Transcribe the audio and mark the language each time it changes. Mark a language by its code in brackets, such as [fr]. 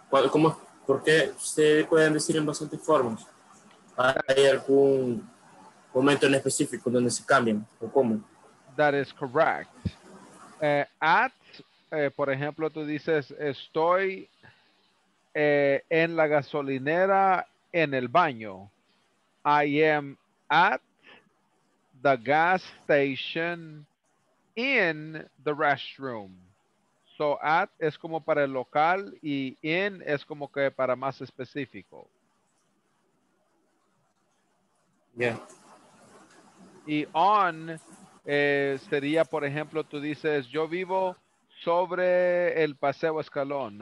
[es] ¿Cómo, por qué se pueden decir en bastantes formas? ¿Hay algún momento en específico donde se cambian o cómo? [en] That is correct. [es] At, por ejemplo, tú dices, estoy en la gasolinera en el baño. [en] I am at the gas station in the restroom. [es] So at es como para el local y in es como que para más específico. [en] Yeah. [es] Y on sería, por ejemplo, tú dices, yo vivo sobre el Paseo Escalón.